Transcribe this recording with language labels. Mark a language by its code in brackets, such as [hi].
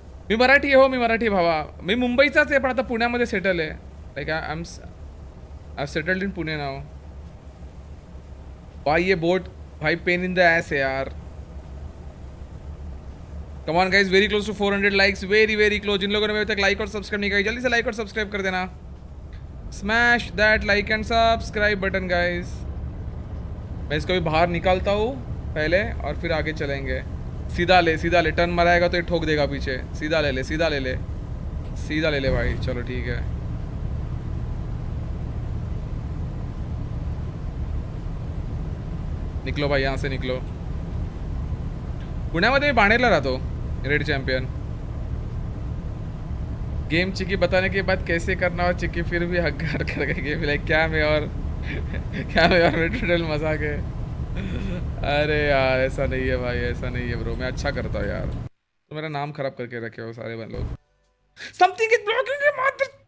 [mr] मी मराठी हो, मी मराठी भावा, मी मुंबईचाच आहे पण आता पुण्यामध्ये सेटल आहे। [en] Like I am settled in Pune now. [hi] भाई ये बोट भाई [en] pain in the ass [hi] है यार। [en] Come on guys, very close to 400 likes, very very close. [hi] जिन लोगों ने अभी तक लाइक और सब्सक्राइब नहीं किया जल्दी से लाइक और सब्सक्राइब कर देना, [en] Smash that like and subscribe button guys. [hi] मैं इसको भी बाहर निकालता हूँ पहले और फिर आगे चलेंगे। सीधा ले टर्न मराएगा तो ये ठोक देगा पीछे। सीधा ले ले, सीधा ले ले, सीधा ले ले भाई। चलो ठीक है, निकलो भाई यहाँ से निकलो। [mr] पुण्यामध्ये बाणेरला राहतो रेड चैंपियन। [hi] गेम चिकी बताने के बाद कैसे करना, और चिकी फिर भी हग्गार कर गए गेम। लाइक क्या मैं और क्या मैं और टोटल मजाक है। अरे यार ऐसा नहीं है भाई, ऐसा नहीं है ब्रो, मैं अच्छा करता हूँ यार। तो मेरा नाम खराब करके रखे हो सारे लोग। [en] Something is blocking your mouth.